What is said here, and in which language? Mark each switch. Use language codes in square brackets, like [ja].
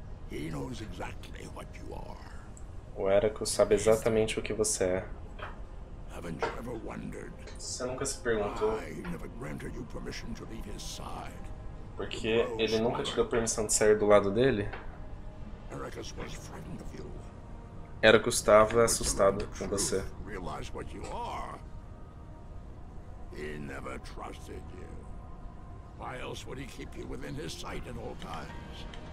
[en] He knows exactly what you are. [pt] O Ericus sabe exatamente o que você é. [en] Haven't you ever wondered? [pt] Você nunca se perguntou. [en] I never granted you permission to leave his side. [pt] Porque ele nunca te deu permissão de sair do lado dele? [en] Ericus was frightened of you. [pt] Era que eu estava assustado com você. [en] Realize what you are. He never trusted you. Why else would he keep you within his sight at all times?